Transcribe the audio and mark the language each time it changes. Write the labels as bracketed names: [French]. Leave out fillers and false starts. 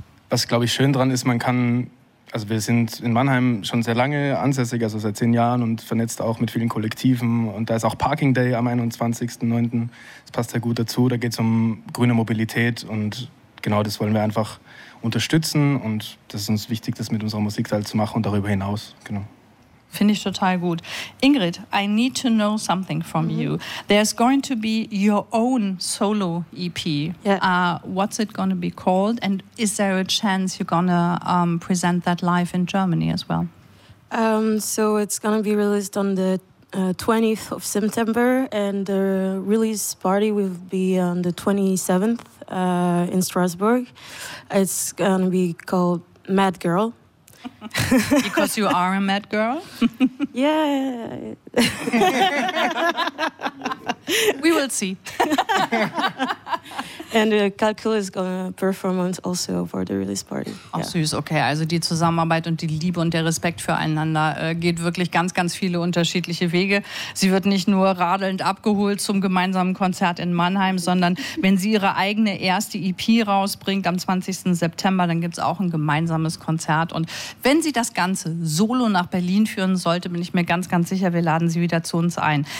[German] Was, glaube ich, schön dran ist, man kann, also wir sind in Mannheim schon sehr lange ansässig, also seit 10 Jahren, und vernetzt auch mit vielen Kollektiven. Und da ist auch Parking Day am 21.09. Das passt sehr gut dazu. Da geht es um grüne Mobilität, und genau das wollen wir einfach unterstützen, und das ist uns wichtig, das mit unserer Musik halt zu machen und darüber hinaus. Genau. Finde ich total gut. [English] Ingrid, I need to know something from you. There's going to be your own solo EP. Yeah. What's it going to be called? And is there a chance you're going to present that live in Germany as well? So it's going to be released on the 20th of September, and the release party will be on the 27th in Strasbourg. It's going to be called Mad Girl. Because you are a mad girl? Yeah. We will see. And Kalkül is going to perform also for the release party. [German] Ach, yeah. Süß, okay. Also die Zusammenarbeit und die Liebe und der Respekt füreinander geht wirklich ganz, ganz viele unterschiedliche Wege. Sie wird nicht nur radelnd abgeholt zum gemeinsamen Konzert in Mannheim, sondern wenn sie ihre eigene erste EP rausbringt am 20. September, dann gibt es auch ein gemeinsames Konzert. Und wenn sie das Ganze solo nach Berlin führen sollte, bin ich mir ganz, ganz sicher, wir laden sie wieder zu uns ein.